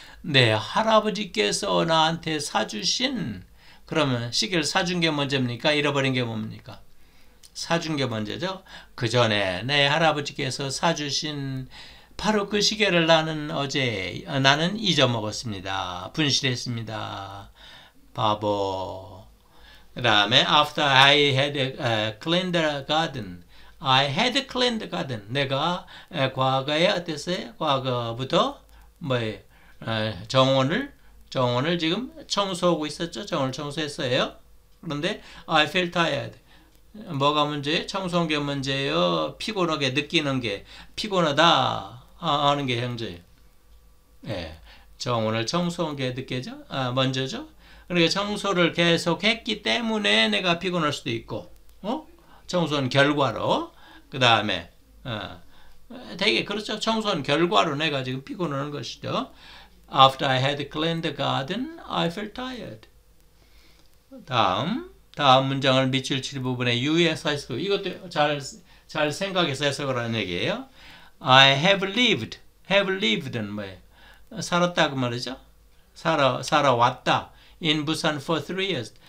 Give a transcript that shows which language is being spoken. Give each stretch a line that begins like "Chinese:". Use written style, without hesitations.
Korean: 내 할아버지께서 나한테 사주신 그러면 시계를 사준 게 문제입니까? 잃어버린 게 뭡니까? 사준 게 먼저죠. 그 전에 내 할아버지께서 사주신 바로 그 시계를 나는 잊어먹었습니다. 분실했습니다. 바보. 그 다음에
English: after I had cleaned the garden, I had cleaned the garden.
Korean: 내가 과거에 어땠어요? 과거부터 뭐 정원을 지금 청소하고 있었죠. 정원을 청소했어요. 그런데
English: I felt tired.
Korean: 뭐가 문제예요? 청소한 게 문제예요? 피곤하게 느끼는 게, 피곤하다 하는 게 현재예요. 예. 정원을 청소한 게 느껴져? 아, 먼저죠? 그러니까 청소를 계속 했기 때문에 내가 피곤할 수도 있고, 어? 청소한 결과로. 그 다음에, 되게 그렇죠. 청소한 결과로 내가 지금 피곤한 것이죠.
English: After I had cleaned the garden, I felt tired.
Korean: 다음 문장을 밑줄 칠 부분에 you 해석. 이것도 잘 생각해서 해석을 하는 얘기예요.
English: I have lived. Have lived은
Korean: 뭐예요? 살았다고 말이죠? 살아왔다.
English: In Busan for 3 years.